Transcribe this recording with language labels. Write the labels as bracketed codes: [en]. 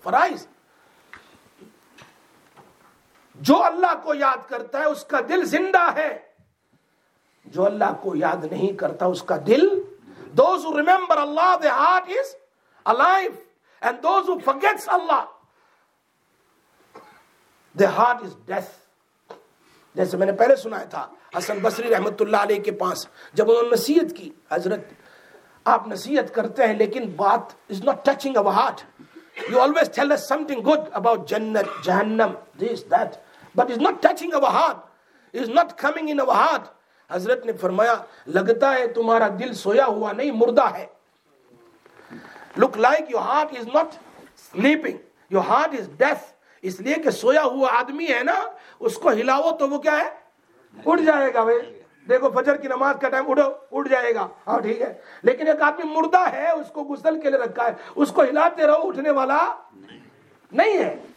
[ur] فرائض جو اللہ کو یاد کرتا ہے اس کا دل زندہ ہے، جو اللہ کو یاد نہیں کرتا اس کا دل، [en] those who remember Allah their heart is alive and those who forgets Allah their heart is death. [ur] جیسے میں نے پہلے سنایا تھا حسن بصری رحمت اللہ علیہ کے پاس جب انہوں نے نصیحت کی، حضرت آپ نصیحت کرتے ہیں لیکن بات [en] is not touching our heart, you always tell us something good about jannat jahannam this that but is not touching our heart, is not coming in our heart. [ur] حضرت نے فرمایا لگتا ہے تمہارا دل سویا ہوا نہیں مردہ ہے. [en] Look like your heart is not sleeping, your heart is death. [ur] اس لیے کہ سویا ہوا آدمی ہے نا اس کو ہلاؤ تو وہ کیا ہے اٹھ جائے گا. بھائی دیکھو فجر کی نماز کا ٹائم اٹھ جائے گا ہاں ٹھیک ہے. لیکن ایک آدمی مردہ ہے اس کو غسل کے لیے رکھا ہے اس کو ہلاتے رہو اٹھنے والا نہیں ہے.